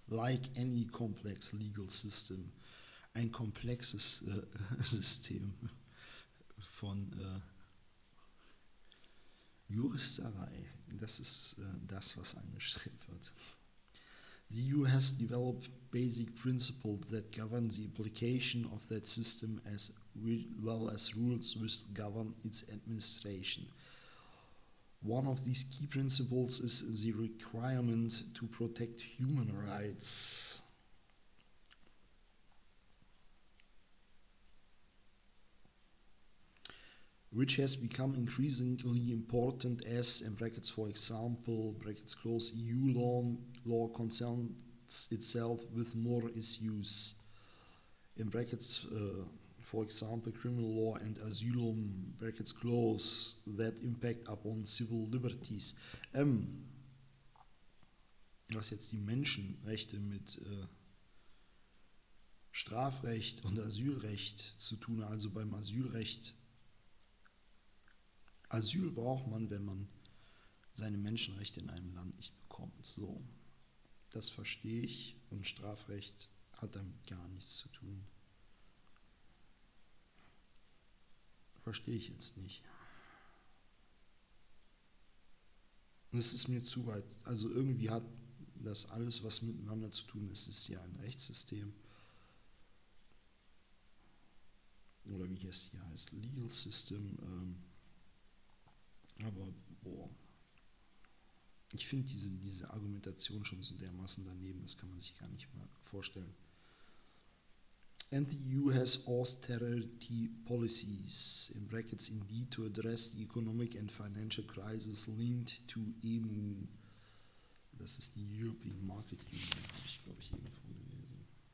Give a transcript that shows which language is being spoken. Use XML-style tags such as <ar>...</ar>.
<en>Like any complex legal system,</en> <de>ein komplexes System von Juristerei, das ist das, was angestrebt wird.</de> <en>The EU has developed basic principles that govern the application of that system as well as rules which govern its administration. One of these key principles is the requirement to protect human rights. Which has become increasingly important as, in brackets for example, brackets close, EU law concerns itself with more issues. In brackets for example, criminal law and asylum, brackets close, that impact upon civil liberties.</en> <de>Was jetzt die Menschenrechte mit Strafrecht und Asylrecht zu tun, also beim Asylrecht. Asyl braucht man, wenn man seine Menschenrechte in einem Land nicht bekommt. So, das verstehe ich, und Strafrecht hat damit gar nichts zu tun. Verstehe ich jetzt nicht. Das ist mir zu weit. Also irgendwie hat das alles, was miteinander zu tun ist, ist ja ein Rechtssystem. Oder wie es hier heißt, Legal System. Aber, boah. Ich finde diese Argumentation schon so dermaßen daneben, das kann man sich gar nicht mal vorstellen.</de> <en>And the EU has austerity policies, in brackets indeed, to address the economic and financial crisis linked to EMU.</en> <de>Das ist die European Market Union, habe ich, glaube ich, irgendwo gelesen.</de>